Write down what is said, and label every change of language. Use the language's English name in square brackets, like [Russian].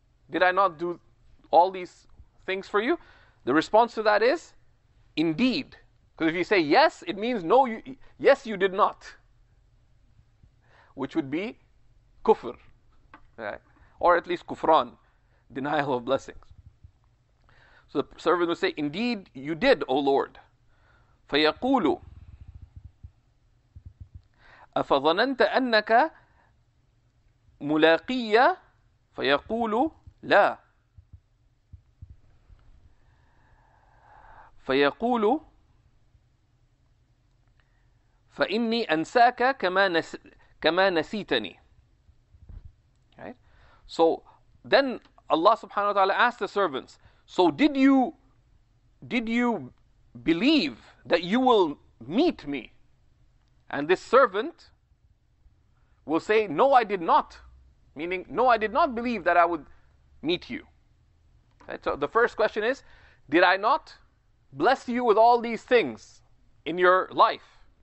[English] Did I not do all these things for you? The response to that is, indeed. Because if you say yes, it means no, yes, you did not. Which would be kufr. Right? Or at least kufran, denial of blessings. So the servant would say, indeed, you did, O Lord. [Arabic] فَيَقُولُ أَفَظَنَنْتَ أَنَّكَ مُلَاقِيَّ فَيَقُولُ لَا فيقول فإني أنساك كما نسيتني. [English] Right? So then Allah subhanahu wa ta'ala asked the servants, so did you did you believe that you will meet me? And this servant will say, no, I did not. Meaning, no, I did not believe that I would meet you. Okay, so the first question is, did I not bless you with all these things in your life?